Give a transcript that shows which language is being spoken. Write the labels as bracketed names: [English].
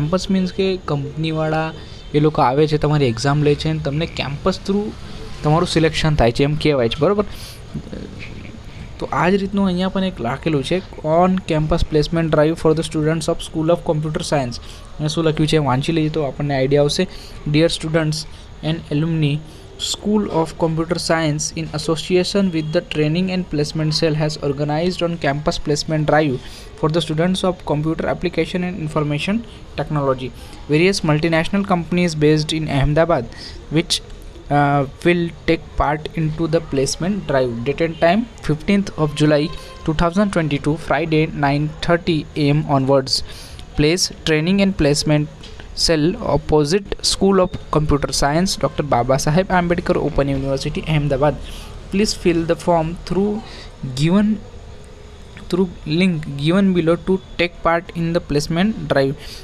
[Gujarati] Campus means કે કંપનીવાળા એ લોકો આવે છે, તમારી એક્ઝામ લે છે અને તમને કેમ્પસ થ્રુ તમારું સિલેક્શન થાય છે, એમ કહેવાય છે, બરાબર. તો આ જ રીતનું અહીંયા પણ એક લખેલું છે, [English] On campus placement drive for the students of school of computer science. [Gujarati] અને શું લખ્યું છે વાંચી લઈએ તો આપણને આઈડિયા આવશે. [English] Dear students and alumni, School of Computer Science in association with the Training and Placement Cell has organized on campus placement drive for the students of Computer Application and Information Technology. Various multinational companies based in Ahmedabad which will take part into the placement drive. Date and time 15th of July 2022, Friday 9:30 a.m. onwards. Place Training and Placement cell opposite school of computer science, doctor Baba Saheb Ambedkar open university, Ahmedabad. Please fill the form through link given below to take part in the placement drive.